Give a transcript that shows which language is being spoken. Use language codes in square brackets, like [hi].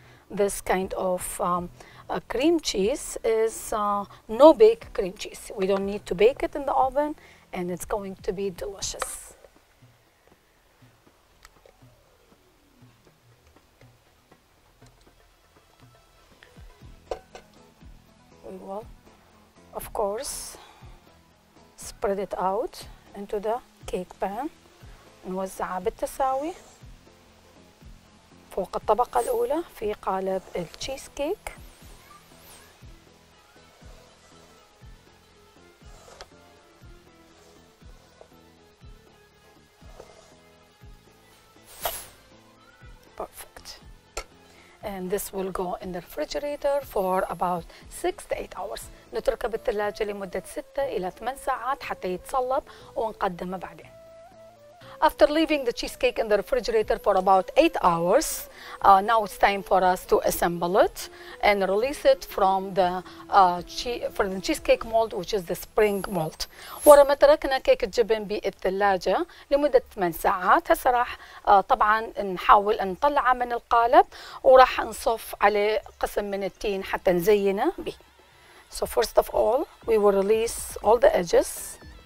[en] This kind of cream cheese is no bake cream cheese. We don't need to bake it in the oven and it's going to be delicious. We will, of course, spread it out into the cake pan. [ar] نوزعها بالتساوي فوق الطبقة الأولى في قالب التشيز كيك. [en] And this will go in the refrigerator for about 6 to 8 hours. [ar] نتركه بالثلاجة لمدة 6 إلى 8 ساعات حتى يتصلب ونقدمه بعدين. [en] After leaving the cheesecake in the refrigerator for about 8 hours, now it's time for us to assemble it and release it from the cheesecake mold, which is the spring mold. [ar] ورا ما تركنا كيك الجبن بالثلاجة لمدة 8 ساعات، هسا راح طبعا نحاول أن نطلعه من القالب وراح نصف عليه قسم من التين حتى نزينه به. [en] So first of all, we will release all the edges.